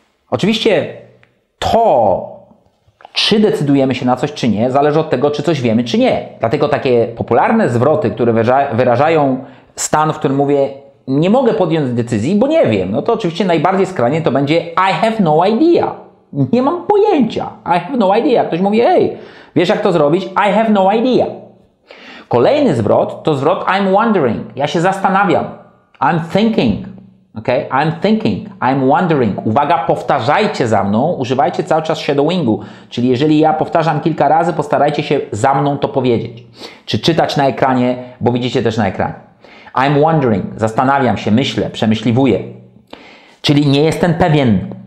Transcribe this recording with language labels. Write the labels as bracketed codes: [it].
[pl] Oczywiście to, czy decydujemy się na coś, czy nie, zależy od tego, czy coś wiemy, czy nie. Dlatego takie popularne zwroty, które wyrażają stan, w którym mówię, nie mogę podjąć decyzji, bo nie wiem, no to oczywiście najbardziej skrajnie to będzie [en] I have no idea. [pl] Nie mam pojęcia. I have no idea. Ktoś mówi, hej, wiesz jak to zrobić? [en] I have no idea. [pl] Kolejny zwrot to zwrot [en] I'm wondering. [pl] Ja się zastanawiam. [en] I'm thinking. Okay? I'm thinking. I'm wondering. [pl] Uwaga, powtarzajcie za mną. Używajcie cały czas shadowingu. Czyli jeżeli ja powtarzam kilka razy, postarajcie się za mną to powiedzieć. Czy czytać na ekranie, bo widzicie też na ekranie. [en] I'm wondering. [pl] Zastanawiam się, myślę, przemyśliwuję. Czyli nie jestem pewien.